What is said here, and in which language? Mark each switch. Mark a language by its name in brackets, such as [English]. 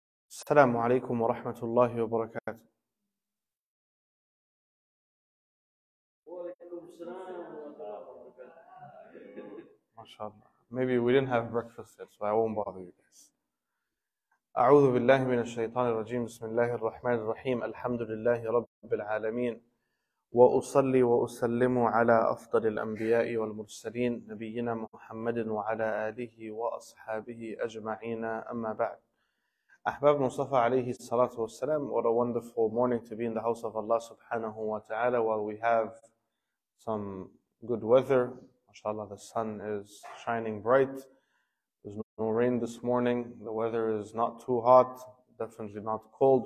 [Arabic] السلام عليكم ورحمة الله وبركاته. وعليكم السلام ورحمة الله. ما شاء الله. [English] Maybe we didn't have breakfast yet, so I won't bother you guys. [Arabic] أعوذ بالله من الشيطان الرجيم. بسم الله الرحمن الرحيم. الحمد لله رب العالمين. وأصلي وأسلم على أفضل الأنبياء والمرسلين نبينا محمد وعلى آله وأصحابه أجمعين. أما بعد. [English] Ahbab Mustafa alayhi salatu wa salam, what a wonderful morning to be in the house of Allah subhanahu wa ta'ala while we have some good weather. MashaAllah, the sun is shining bright. There's no rain this morning. The weather is not too hot, definitely not cold.